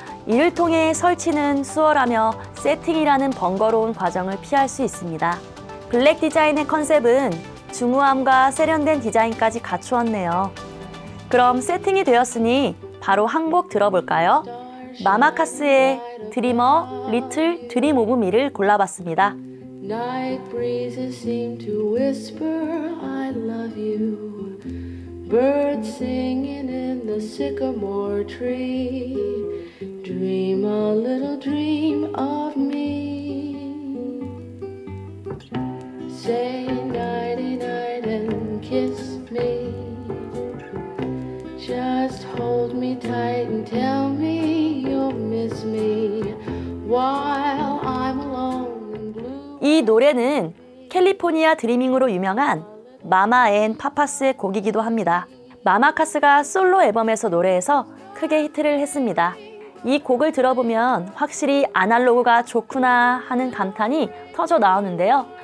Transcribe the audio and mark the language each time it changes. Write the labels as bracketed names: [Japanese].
[Korean] 이를 통해 설치는 수월하며 세팅이라는 번거로운 과정을 피할 수 있습니다. 블랙 디자인의 컨셉은 중후함과 세련된 디자인까지 갖추었네요. 그럼 세팅이 되었으니 바로 한 곡 들어볼까요? 마마카스의 드리머 리틀 드림 오브 미를 골라봤습니다. [English] Night breezes seem to whisper I love you. Birds singing in the sycamore tree. Dream a little dream of me. Say nighty-night and kiss me. Just hold me tight and tell me you'll miss me while I'm alone and blue. [Korean] 이 노래는 캘리포니아 드리밍으로 유명한 마마 앤 파파스의 곡이기도 합니다. 마마카스가 솔로 앨범에서 노래해서 크게 히트를 했습니다. 이 곡을 들어보면 확실히 아날로그가 좋구나 하는 감탄이 터져 나오는데요.